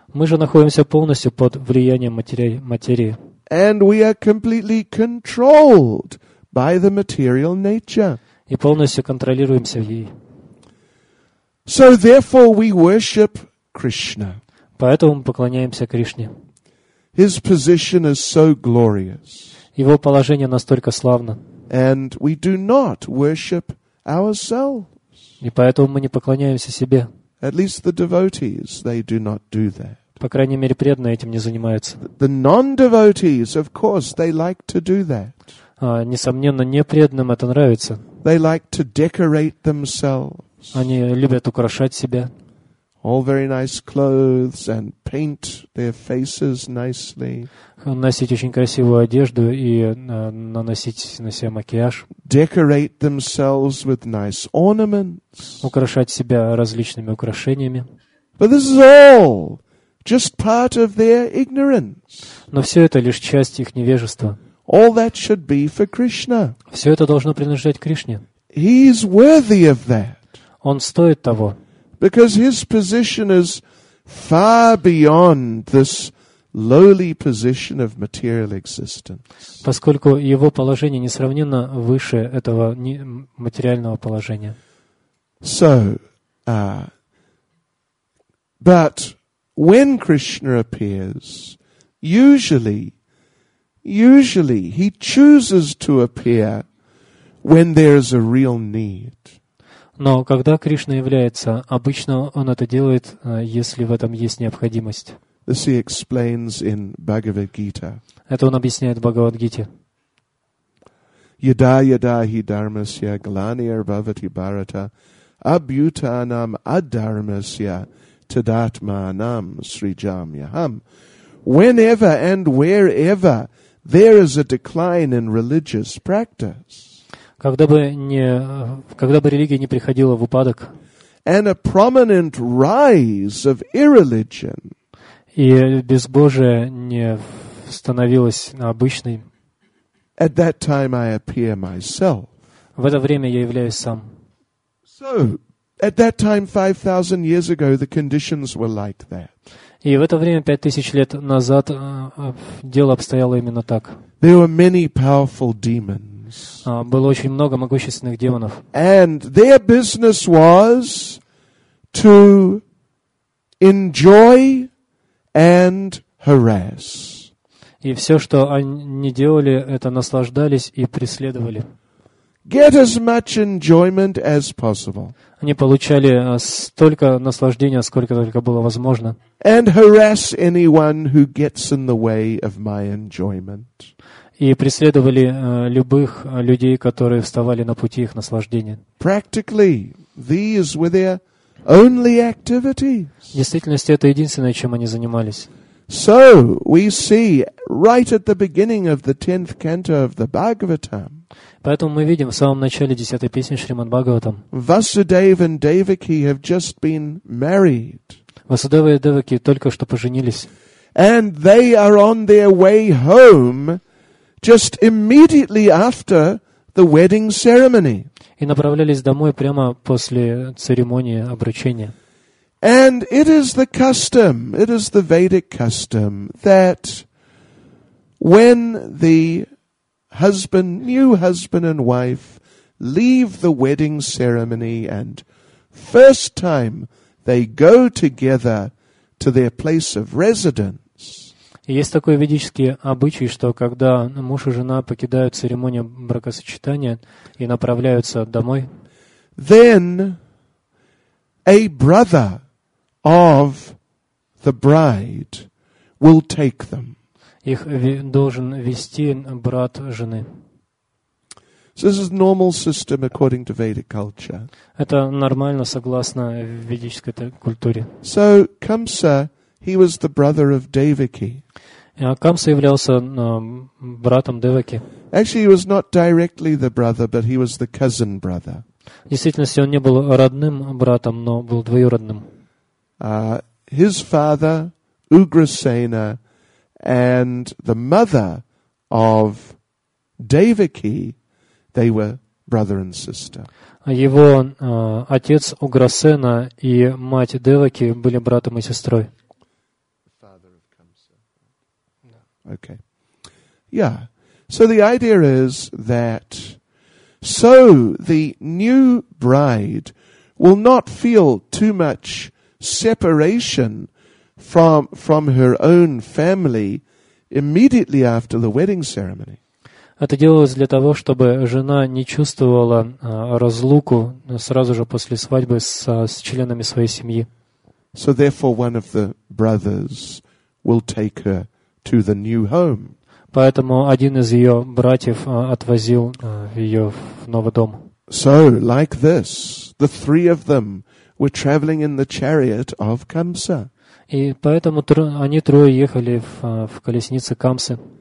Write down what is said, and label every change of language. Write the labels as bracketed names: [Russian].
[Russian] Мы же находимся полностью под влиянием материи. [English] And we are completely controlled by the material nature. [Russian] И полностью контролируемся ей. [English] So therefore we worship Krishna. [Russian] Поэтому мы поклоняемся Кришне. [English] His position is so glorious. [Russian] Его положение настолько славно. [English] And we do not worship ourselves. [Russian] И поэтому мы не поклоняемся себе. [English] At least the devotees, they do not do that. [Russian] По крайней мере, преданные этим не занимаются. [English] The non-devotees, of course, they like to do that. [Russian] Несомненно, непреданным это нравится. [English] They like to decorate themselves. [Russian] Они любят украшать себя. [English] All very nice clothes and paint their faces nicely. [Russian] Носить очень красивую одежду и наносить на себя макияж. [English] Decorate themselves with nice ornaments. [Russian] Украшать себя различными украшениями. [English] But this is all just part of their ignorance. [Russian] Но все это лишь часть их невежества. [English] All that should be for Krishna. [Russian] Все это должно принадлежать Кришне. [English] He is worthy of that. [Russian] Он стоит того. [English] Because his position is far beyond this lowly position of material existence. [Russian] Поскольку его положение несравненно выше этого материального положения. [English] So, but when Krishna appears, usually he chooses to appear when there is a real need. [Russian] Но когда Кришна является, обычно он это делает, если в этом есть необходимость. [English] This he explains in Bhagavad Gita. [Russian] Это он объясняет в Бхагавад-гите. [Sanskrit] Yada yada hi dharmasya glanir bhavati bharata abhyutanam adharmasya tadatmanam srijamyaham. [English] Whenever and wherever there is a decline in religious practice. [Russian] Когда бы религия не приходила в упадок, [English] and a prominent rise of irreligion, [Russian] и безбожие не становилось обычным, [English] at that time I appear myself. [Russian] В это время я являюсь сам. [English] So, at that time, 5,000 years ago, the conditions were like that. [Russian] И в это время, 5,000 лет назад, дело обстояло именно так. [English] There were many powerful demons. [Russian] Было очень много могущественных демонов. [English] And their business was to enjoy and harass. [Russian] И все, что они делали, это наслаждались и преследовали. [English] Get as much enjoyment as possible. [Russian] Они получали столько наслаждения, сколько только было возможно. [English] And harass anyone who gets in the way of my enjoyment. [Russian] И преследовали любых людей, которые вставали на пути их наслаждения. [English] Practically, these were their only activities. [Russian] В действительности, это единственное, чем они занимались. [English] So, we see right at the beginning of the 10th canto of the Bhagavatam. [Russian] Поэтому мы видим в самом начале 10-й песни Шримад Бхагаватам. [English] Vasudeva and Devaki have just been married. [Russian] Васудева и Девики только что поженились. [English] And they are on their way home just immediately after the wedding ceremony. [Russian] И направлялись домой прямо после церемонии обручения. [English] And it is the custom, it is the Vedic custom, that when the husband, new husband and wife, leave the wedding ceremony and first time they go together to their place of residence. [Russian] Есть такой ведический обычай, что когда муж и жена покидают церемонию бракосочетания и направляются домой, [English] then a brother of the bride will take them. [Russian] Их должен вести брат жены. [English] So this is normal system according to Vedic culture. [Russian] Это нормально согласно ведической культуре. [English] So Kamsa, he was the brother of Devaki. [Russian] Камса являлся братом Деваки. [English] Actually, he was not directly the brother, but he was the cousin brother. [Russian] В действительности, он не был родным братом, но был двоюродным. [English] His father, Ugrasena, and the mother of Devaki, they were brother and sister. [Russian] Его отец Уграсена и мать Деваки были братом и сестрой. [English] Father of Kamsa. Okay. Yeah. So the idea is that so the new bride will not feel too much separation from her own family immediately after the wedding ceremony. [Russian] Это делалось для того, чтобы жена не чувствовала разлуку сразу же после свадьбы с членами своей семьи. [English] So therefore one of the brothers will take her to the new home. [Russian] Поэтому один из ее братьев отвозил ее в новый дом. [English] So like this, the three of them were traveling in the chariot of Kamsa. [Russian] И поэтому они трое ехали в колеснице Камсы.